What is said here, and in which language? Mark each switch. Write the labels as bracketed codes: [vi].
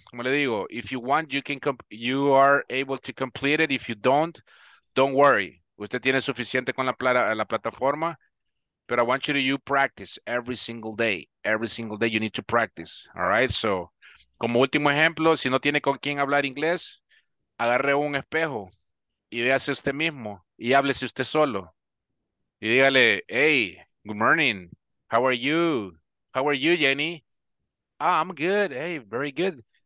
[es] Como le digo, [en] if you want, you are able to complete it. If you don't worry. [es] Usted tiene suficiente con la plataforma. [en] But I want you to practice every single day. Every single day you need to practice. All right? So... [es] Como último ejemplo, si no tiene con quién hablar inglés, agarre un espejo y véase usted mismo y háblese usted solo. Y dígale, [en] hey, good morning. How are you? How are you, Jenny? Oh, I'm good. Hey, very good.